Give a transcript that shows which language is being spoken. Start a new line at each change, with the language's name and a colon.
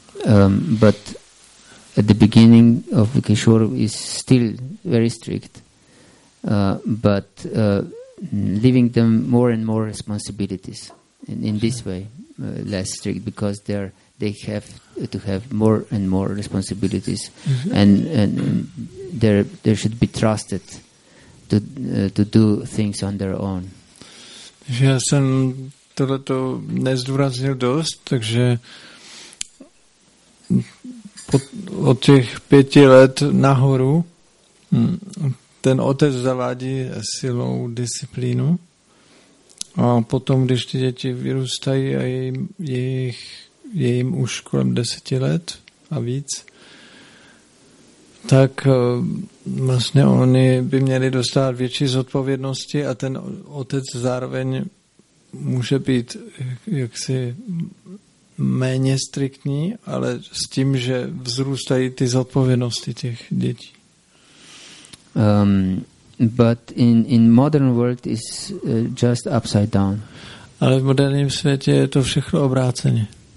English: But at the beginning of the Kishor is still very strict, but leaving them more and more responsibilities in this way, less strict, because they have to have more and more responsibilities, mm-hmm. and they should be trusted to do things on their own.
Czech: Já jsem tohleto nezdůraznil dost, takže od těch 5 let nahoru ten otec zavádí silnou disciplínu, a potom, když ty děti vyrůstají a je jim už kolem 10 let a víc, tak vlastně oni by měli dostat větší zodpovědnosti a ten otec zároveň může být jaksi méně striktní, ale s tím, že vzrůstají ty zodpovědnosti těch dětí.
English: But in modern world is just upside down.
Czech: Ale v moderním světě je to všechno obráceně.